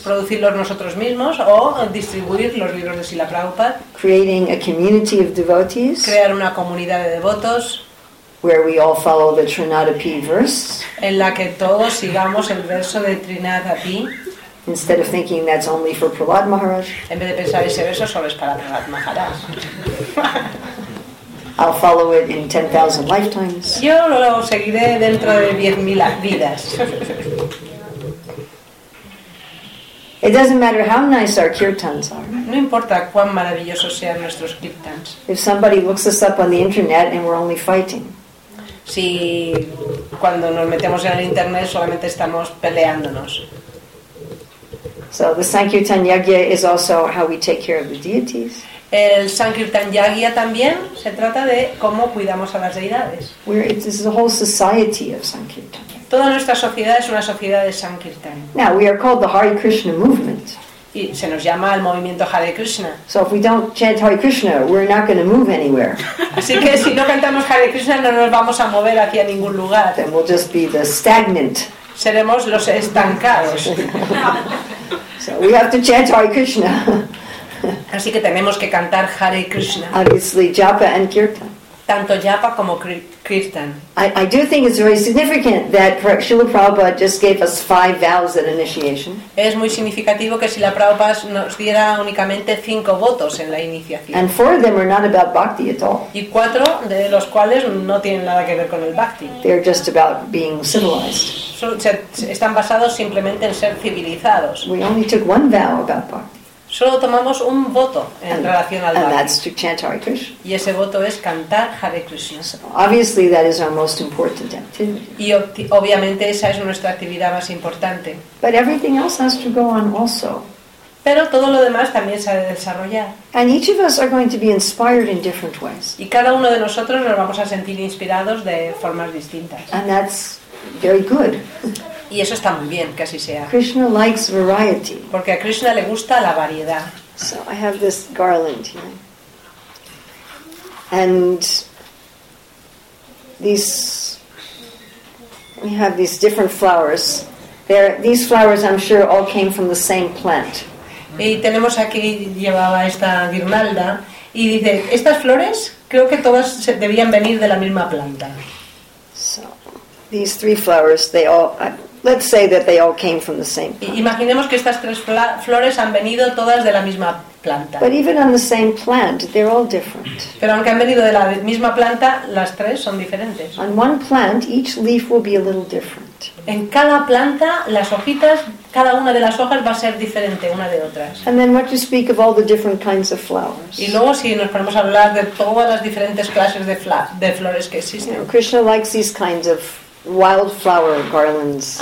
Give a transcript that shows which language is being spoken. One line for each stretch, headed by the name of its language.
Spanish: Producirlos nosotros mismos o distribuir los libros de Srila Prabhupada.
English: Creating a community of devotees.
Spanish: Crear una comunidad de devotos.
English: Where we all follow the Trinadapi verse.
Spanish: En la que todos sigamos el verso de Trinadapi.
English: Instead of thinking that's only for Prahlad Maharaj.
Spanish: En vez de pensar ese verso solo es para Prahlad Maharaj.
English: I'll follow it in 10,000 lifetimes.
Spanish: Yo lo seguiré dentro de 10,000 vidas.
English: It doesn't matter how nice our kirtans are.
Spanish: No importa cuán maravillosos sean nuestros kirtans.
English: If somebody looks us up on the internet and we're only fighting.
Spanish: Si cuando nos metemos en el internet solamente estamos peleándonos.
English: So the Sankirtan Yajna is also how we take care of the deities.
Spanish: El Sankirtan Yajna también se trata de cómo cuidamos a las deidades.
English: It's a whole society of Sankirtan.
Spanish: Toda nuestra sociedad es una sociedad de Sankirtan.
English: Now we are called the Hare Krishna movement.
Spanish: Y se nos llama el movimiento Hare Krishna.
English: So if we don't chant Hare Krishna, we're not going to move anywhere.
Spanish: Así que si no cantamos Hare Krishna, no nos vamos a mover hacia ningún lugar.
English: Then we'll just be the stagnant.
Spanish: Seremos los estancados.
English: So we have to chant Hare Krishna.
Spanish: Así que tenemos que cantar Hare Krishna.
English: Obviously, japa and kirtan.
Spanish: Tanto japa como kirtan.
English: I do think it's very significant that Srila Prabhupada just gave us 5 vows at initiation.
Spanish: Es muy significativo que Srila Prabhupada nos diera únicamente 5 votos en la iniciación.
English: And 4 of them are not about bhakti at all.
Spanish: Y 4 de los cuales no tienen nada que ver con el bhakti.
English: They're just about being civilized.
Spanish: Están basados simplemente en ser civilizados.
English: We only took 1 vow about bhakti.
Spanish: Solo tomamos un voto en relación al
English: bhakti. That's to chant Hare Krishna.
Spanish: Y ese voto es cantar Hare Krishna. So
English: obviously that is our most important activity.
Spanish: Y obviamente esa es nuestra actividad más importante.
English: But everything else has to go on also.
Spanish: Pero todo lo demás también se ha de desarrollar.
English: And each of us are going to be inspired in different ways.
Spanish: Y cada uno de nosotros nos vamos a sentir inspirados de formas distintas.
English: And that's very good.
Spanish: Y eso está muy bien, que así sea.
English: Krishna likes variety.
Spanish: Porque a Krishna le gusta la variedad.
English: So I have this garland here. And these, we have these different flowers. These flowers, I'm sure, all came from the same plant.
Spanish: Y tenemos aquí, llevaba esta guirnalda, y dice, estas flores, creo que todas debían venir de la misma planta.
English: So, these 3 flowers, they all... Let's say that they all came from the same plant.
Spanish: Imaginemos que estas 3 flores han venido todas de la misma planta.
English: But even on the same plant, they're all different.
Spanish: Pero aunque han venido de la misma planta, las 3 son diferentes.
English: On one plant, each leaf will be a little different.
Spanish: En cada planta, las hojitas, cada una de las hojas va a ser diferente una de otras.
English: And then what you speak of all the different kinds of flowers.
Spanish: Y luego si nos ponemos a hablar de todas las diferentes clases de flores que existen.
English: You know, Krishna likes these kinds of wildflower garlands.